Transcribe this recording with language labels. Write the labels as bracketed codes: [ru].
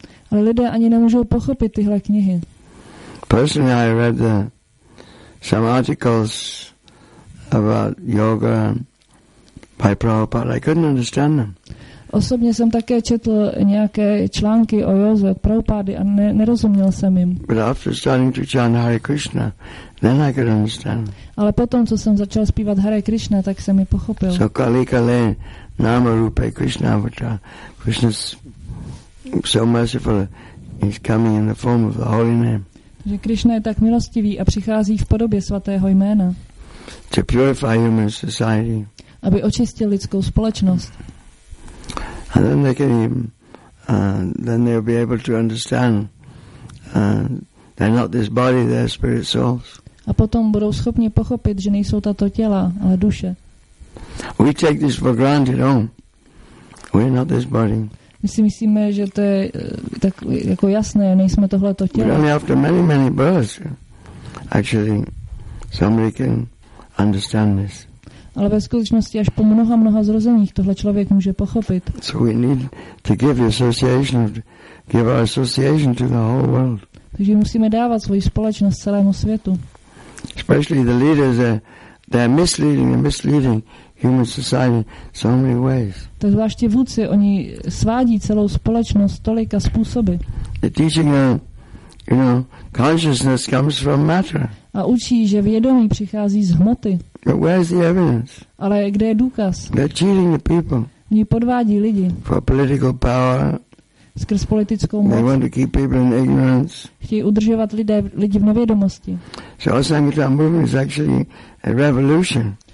[cs] Ale lidé ani nemůžou pochopit tyhle knihy. [en] Personally I read some articles about yoga by Prabhupada. I couldn't understand them. [cs] Osobně jsem také četl nějaké články o józe od Prabhupády a nerozuměl jsem jim. [en] But after starting to chant Hare Krishna, then I could understand. [cs] Ale potom, co jsem začal zpívat Hare Krishna, tak jsem ji pochopil. [bn] So Kali Kale Nama Rupa Krishna Avatar. [en] Krishna is so merciful. He's coming in the form of the holy name. [cs] Takže Krishna je tak milostivý a přichází v podobě svatého jména. [en] To purify human society. [cs] aby očistil lidskou společnost. [en] And then they can then they'll be able to understand they're not this body, they're spirit souls. [cs] A potom budou schopni pochopit, že nejsou tato těla, ale duše. [en] We take this for granted, oh. We're not this body. [cs] My si myslíme, že to je tak jako jasné, nejsme tohleto tělo. [en] Only after many, many births, actually, somebody can understand this. [cs] Ale ve skutečnosti až po mnoha, mnoha zrozeních tohle člověk může pochopit. [en] So we need to give the association, give our association to the whole world. [cs] Takže musíme dávat svoji společnost celému světu. [en] Especially the leaders, they're misleading and misleading human society so many ways. [cs] Tak zvláště vůdci, oni svádí celou společnost tolika způsoby. [en] They're teaching them, you know, consciousness comes from matter. [cs] A učí, že vědomí přichází z hmoty. [en] But where's the evidence? [cs] Ale kde je důkaz? [en] They're cheating the people. [cs] Oni podvádí lidi. [en] For political power. [cs] Skrz politickou moc. [en] They want to keep people in ignorance. [cs] Chtějí udržovat lidi v nevědomosti. [en] So Sankirtan movement is actually a revolution.